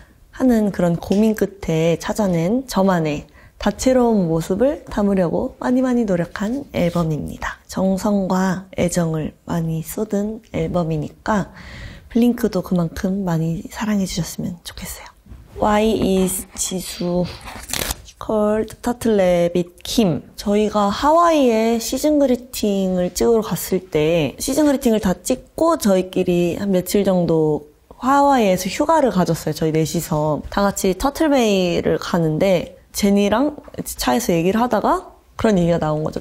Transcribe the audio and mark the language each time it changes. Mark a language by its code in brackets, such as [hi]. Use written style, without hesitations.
[ko] 하는 그런 고민 끝에 찾아낸 저만의 다채로운 모습을 담으려고 많이 많이 노력한 앨범입니다. 정성과 애정을 많이 쏟은 앨범이니까 블링크도 그만큼 많이 사랑해 주셨으면 좋겠어요. [en] Why is 지수 called Turtlerabbit Kim? [ko] 저희가 하와이에 시즌 그리팅을 찍으러 갔을 때 시즌 그리팅을 다 찍고 저희끼리 한 며칠 정도 하와이에서 휴가를 가졌어요. 저희 넷이서 다 같이 터틀베이를 가는데 제니랑 차에서 얘기를 하다가 그런 얘기가 나온 거죠.